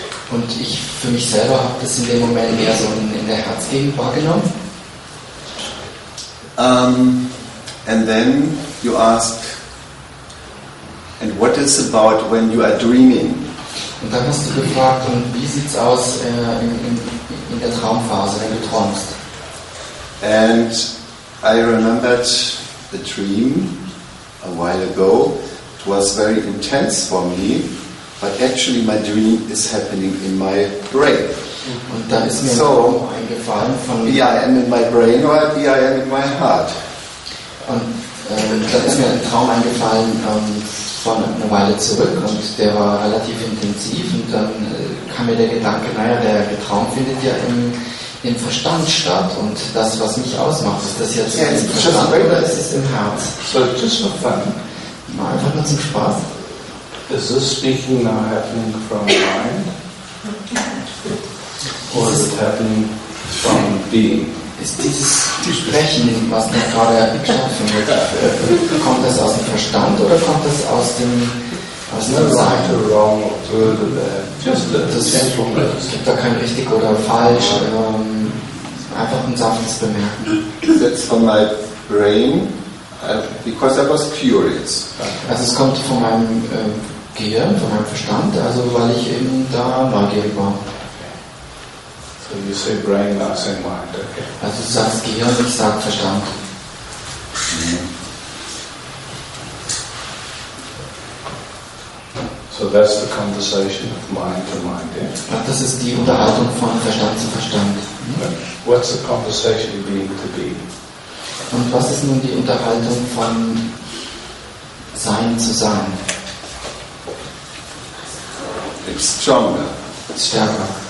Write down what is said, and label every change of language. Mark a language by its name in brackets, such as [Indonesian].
[German] Und ich für mich selber habe das in dem Moment mehr so in der Herzgegend wahrgenommen. [English] And then you ask, and what is about when you are dreaming? [German] Und dann hast du gefragt, und wie sieht's aus in der Traumphase, wenn du träumst? [English] And I remembered the dream a while ago. It was very intense for me. But actually my dream is happening in my brain. [German] Und dann ist mir so eingefallen von [English] BIM in my brain or BIM in my heart. [German] Und dann ist mir ein Traum eingefallen von einer Weile zurück, und der war relativ intensiv, und dann kam mir der Gedanke, naja, der Traum findet ja im Verstand statt, und das, was mich ausmacht, ist das jetzt im Verstand oder ist es im Herz? [English] So just for fun. [German] Mal einfach nur zum Spaß. [English] Is this speaking now happening from mind, or is it happening from being? [German] Ist dieses Sprechen, was mir gerade erschaffen wird, kommt das aus dem Verstand oder kommt das aus dem [English] Sein? No, wrong or good or bad. Just [German] das ist, es gibt da kein richtig oder falsch. Einfach ein sanftes Bemerken. [English] That's from my brain, because I was curious. [German] Also es kommt von meinem Gehirn, von meinem Verstand, also weil ich eben da neugierig war. [English] So you say brain, I say mind, okay. [German] Also du sagst Gehirn, ich sag Verstand. [English] So that's the conversation of mind to mind, yeah? [German] Ach, das ist die Unterhaltung von Verstand zu Verstand. [English] What's the conversation being to be? [German] Und was ist nun die Unterhaltung von Sein zu Sein? [English] It's stronger. [German] It's stärker.